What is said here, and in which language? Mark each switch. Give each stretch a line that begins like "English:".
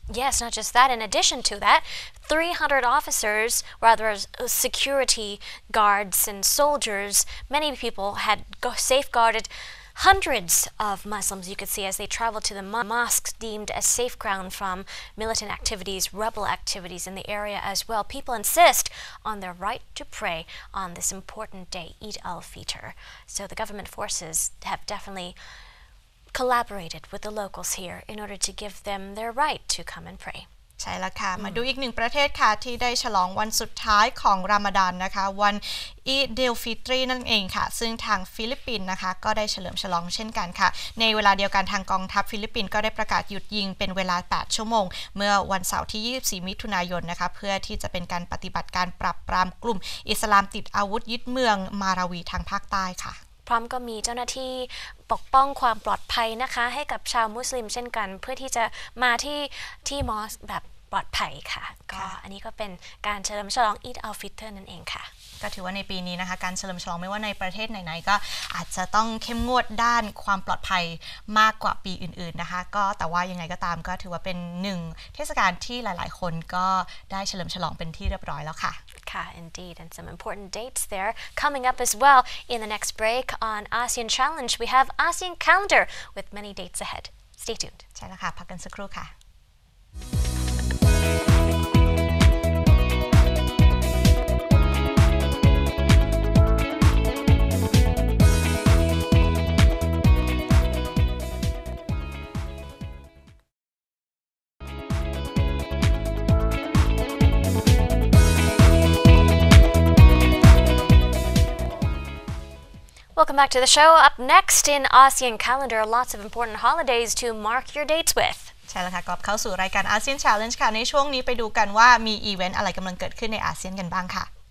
English: Yes, not just that. In addition to that, 300 officers, rather security guards and soldiers, many people had safeguarded hundreds of Muslims, you could see, as they traveled to the mosques deemed a safe ground from militant activities, rebel activities in the area as well. People insist on their right to pray on this important day, Eid al-Fitr. So the government forces have definitely collaborated with the locals here in order to give them their right to come and pray.
Thai: ใช่แล้วค่ะ มาดูอีกหนึ่งประเทศค่ะที่ได้ฉลองวันสุดท้ายของรอมฎอนนะคะวันอีดิลฟิตรีนั่นเองค่ะซึ่งทางฟิลิปปินส์นะคะก็ได้เฉลิมฉลองเช่นกันค่ะในเวลาเดียวกันทางกองทัพฟิลิปปินส์ก็ได้ประกาศหยุดยิงเป็นเวลา8ชั่วโมงเมื่อวันเสาร์ที่24มิถุนายนนะคะเพื่อที่จะเป็นการปฏิบัติการปราบปรามกลุ่มอิสลามติดอาวุธยึดเมืองมาราวีทางภาคใต้ค่ะ พร้อมก็มีเจ้าหน้าที่ปกป้องความปลอดภัยนะคะให้กับชาวมุสลิมเช่นกันเพื่อที่จะมาที่มอสแบบปลอดภัยค่ะก็อันนี้ก็เป็นการเฉลิมฉลองอีดอัลฟิตรนั่นเองค่ะ ก็ถือว่าในปีนี้นะคะการเฉลิมฉลองไม่ว่าในประเทศไหนๆก็อาจจะต้องเข้มงวดด้านความปลอดภัยมากกว่าปีอื่นๆนะคะก็แต่ว่ายังไงก็ตามก็ถือว่าเป็นหนึ่งเทศกาลที่หลายๆคนก็ได้เฉลิมฉลองเป็นที่เรียบร้อยแล้วค่ะ
English: ค่ะ indeed and some important dates there coming up as well in the next break on ASEAN Challenge we have ASEAN Calendar with many dates ahead stay tuned
Thai: ใช่แล้วค่ะพักกันสักครู่ค่ะ
English: Welcome back to the show. Up next in ASEAN calendar, lots of important holidays to mark your dates with.
Thai: ใช่แล้วค่ะกลับเข้าสู่รายการ ASEAN Challenge ค่ะในช่วงนี้ไปดูกันว่ามีอีเวนต์อะไรกำลังเกิดขึ้นในอาเซียนกันบ้างค่ะ